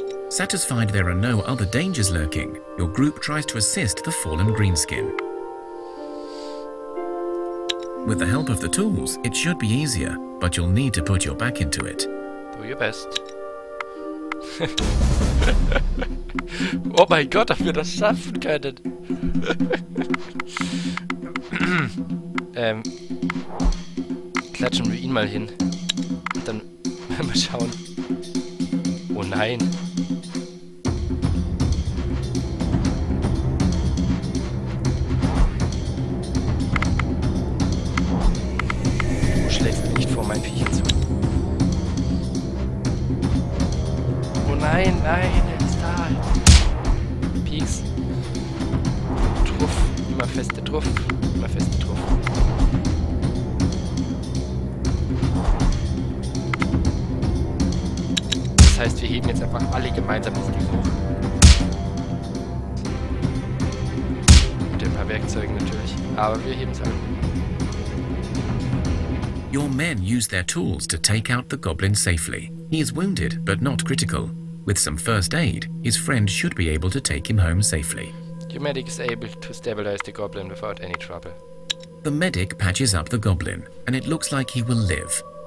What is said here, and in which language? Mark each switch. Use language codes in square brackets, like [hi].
[en] Satisfied there are no other dangers lurking, your group tries to assist the fallen greenskin. With the help of the tools, it should be easier, but you'll need to put your back into it. Do your best. [de] Oh mein Gott, ob wir das schaffen können! Klatschen wir ihn mal hin. Und dann mal schauen. Oh nein. Du schlägst nicht vor meinen Viechern zu. Oh nein, nein, er ist da. Peaks. Truff, immer feste Truff. Immer feste Truff. Das heißt, wir heben jetzt einfach alle gemeinsam das Ding hoch. Mit ein paar Werkzeugen natürlich, aber wir heben es halt. [en] Your men use their tools to take out the goblin safely. He is wounded, but not critical. With some first aid, his friend should be able to take him home safely. Your medic is able to stabilize the goblin without any trouble. The medic patches up the goblin, and it looks like he will live.